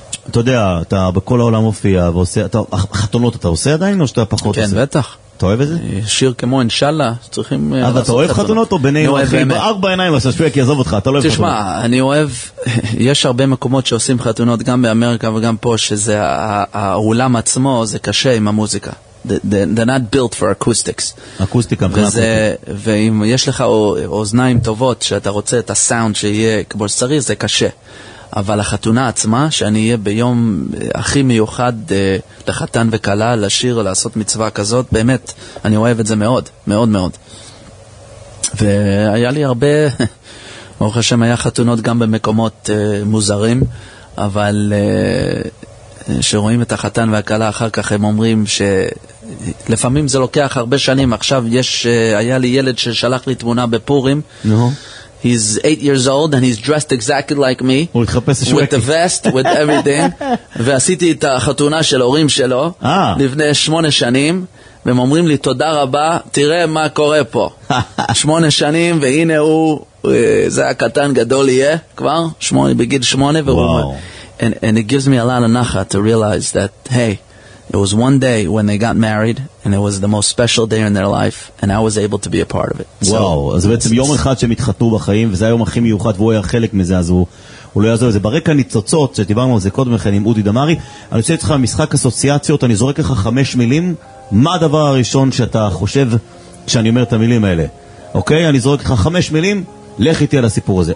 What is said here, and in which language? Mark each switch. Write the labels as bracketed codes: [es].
[he] אתה יודע, אתה בכל העולם מופיע ועושה, חתונות אתה עושה עדיין או שאתה פחות עושה? כן, בטח. אתה אוהב את זה? שיר כמו אינשאללה, צריכים לעשות חתונות. אבל אתה אוהב חתונות או בני אורחים? ארבע עיניים עושה, שפיק יעזוב אותך, אתה לא אוהב חתונות. תשמע, אני אוהב, יש הרבה מקומות שעושים חתונות גם באמריקה וגם פה, שזה האולם עצמו, זה קשה עם המוזיקה. [en] They're not built for acoustics. [he] אקוסטיקה, וזה, ואם יש לך אוזניים טובות שאתה רוצה את הסאונד שיהיה כמו שצריך, זה קשה. אבל החתונה עצמה, שאני אהיה ביום הכי מיוחד לחתן וקלה, לשיר, לעשות מצווה כזאת, באמת, אני אוהב את זה מאוד, מאוד מאוד. והיה לי הרבה, ברוך השם, היה חתונות גם במקומות מוזרים, אבל שרואים את החתן והקלה, אחר כך הם אומרים שלפעמים זה לוקח הרבה שנים. עכשיו היה לי ילד ששלח לי תמונה בפורים. נו. [en] He's 8 years old and he's dressed exactly like me. With the vest, with everything. [he] ועשיתי את החתונה של הורים שלו לפני 8 שנים, והם אומרים לי תודה רבה, תראה מה קורה פה. 8 שנים והנה הוא, זה הקטן גדול יהיה כבר, בגיל 8. [en] And it gives me a lot of nacha to realize that, hey, it was one day when they got married and it was the most special day in their life and I was able to be a part of it. [he] וואו, אז בעצם יום אחד שהם התחתנו בחיים וזה היום הכי מיוחד והוא היה חלק מזה, אז הוא לא יעזור. זה ברקע ניצוצות שדיברנו על זה קודם לכן עם אודי דמרי. אני רוצה איתך משחק אסוציאציות, אני זורק לך 5 מילים, מה הדבר הראשון שאתה חושב כשאני אומר את המילים האלה? אוקיי, אני זורק לך 5 מילים, לך איתי על הסיפור הזה.